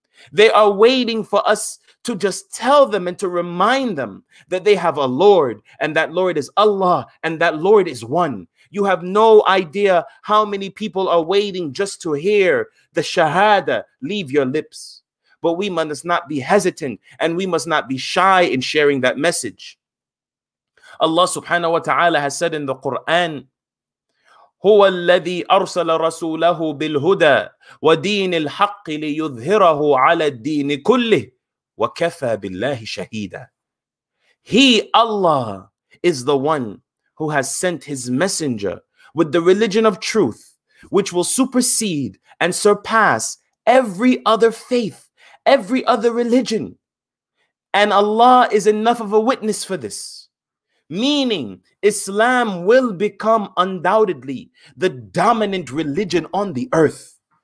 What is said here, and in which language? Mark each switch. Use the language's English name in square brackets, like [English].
[English] They are waiting for us to just tell them and to remind them that they have a Lord, and that Lord is Allah, and that Lord is one. You have no idea how many people are waiting just to hear the Shahada leave your lips. But we must not be hesitant, and we must not be shy in sharing that message. [Arabic] Allah subhanahu wa ta'ala has said in the Quran, هُوَ الَّذِي أَرْسَلَ رَسُولَهُ بِالْهُدَى وَدِينِ الْحَقِّ لِيُظْهِرَهُ عَلَى الدِّينِ كُلِّهِ وَكَفَى بِاللَّهِ شَهِيدًا. [English] He, Allah, is the one who has sent his messenger with the religion of truth, which will supersede and surpass every other faith, every other religion. And Allah is enough of a witness for this. Meaning, Islam will become undoubtedly the dominant religion on the earth.